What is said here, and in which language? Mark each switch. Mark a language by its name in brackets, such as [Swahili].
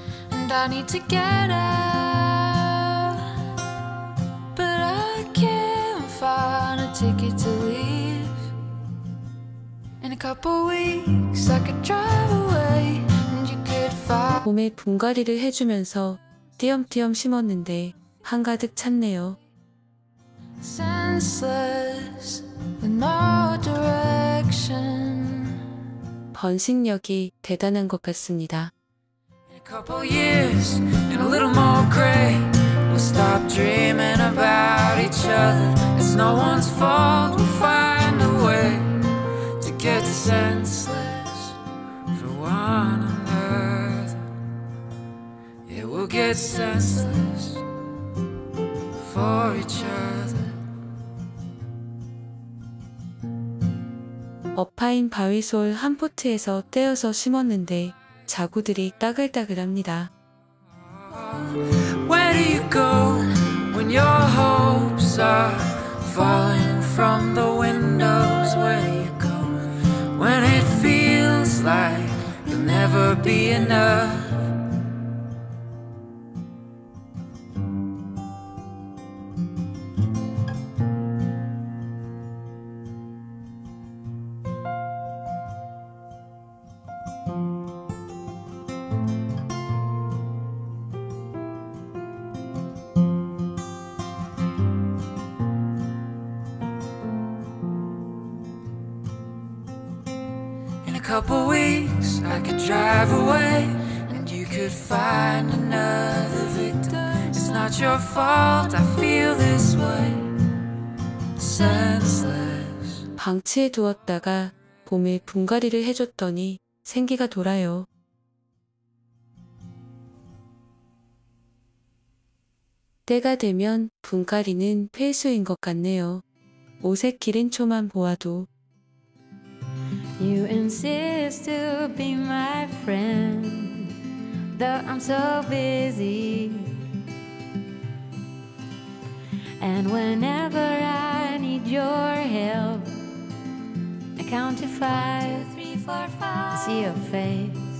[English] And I need to get out, but I can't find a ticket to leave. In a couple weeks, I could drive away, and you could find. [Korean] 봄에 분갈이를 해주면서 띄엄띄엄 심었는데 한가득 찼네요. [English] Senseless, with no direction. [Korean] 번식력이 대단한 것 같습니다. [English] In a couple years, in a little more gray, we'll stop dreaming about each other. It's no one's fault, we'll find a way. Get senseless for one another. Yeah, we'll get senseless for each other. [Korean] 어파인 바위솔 한 포트에서 떼어서 심었는데 자구들이 따글따글합니다. [English] Where do you go when your hopes are falling from the windows? Where you go? When it feels like you'll never be enough. Couple weeks, I could drive away, and you could find another victim. It's not your fault I feel this way. Senseless. [Korean] 방치해 두었다가 봄에 분갈이를 해줬더니 생기가 돌아요. (목소리) 때가 되면 분갈이는 필수인 것 같네요. 옷의 기린초만 보아도. [English] You insist to be my friend, though I'm so busy. And whenever I need your help, I count to five, one, two, three, four, five. See your face.